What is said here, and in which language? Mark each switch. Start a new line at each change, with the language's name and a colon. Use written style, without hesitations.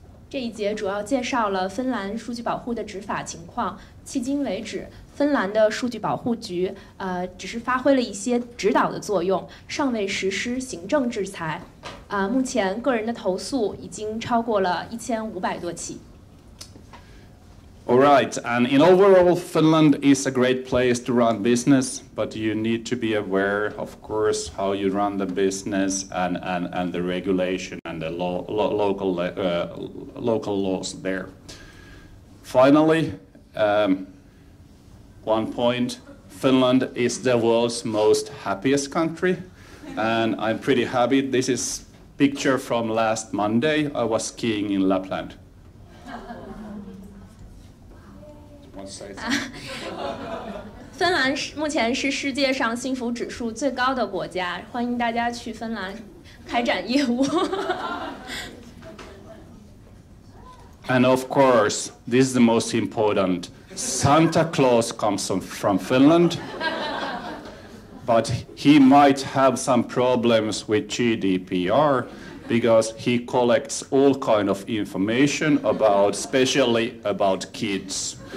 Chinese: 这一节主要介绍了芬兰数据保护的执法情况。迄今为止，芬兰的数据保护局只是发挥了一些指导的作用，尚未实施行政制裁。目前个人的投诉已经超过了1500多起。
English: All right, and in overall, Finland is a great place to run business, but you need to be aware, of course, how you run the business and the regulation and the local laws there. Finally, one point, Finland is the world's most happiest country, and I'm pretty happy. This is a picture from last Monday. I was skiing in Lapland. Say
Chinese: 芬兰目前是世界上幸福指数最高的国家，欢迎大家去芬兰开展业务。
English: And of course, this is the most important. Santa Claus comes from Finland, but he might have some problems with GDPR because he collects all kind of information about, especially about kids.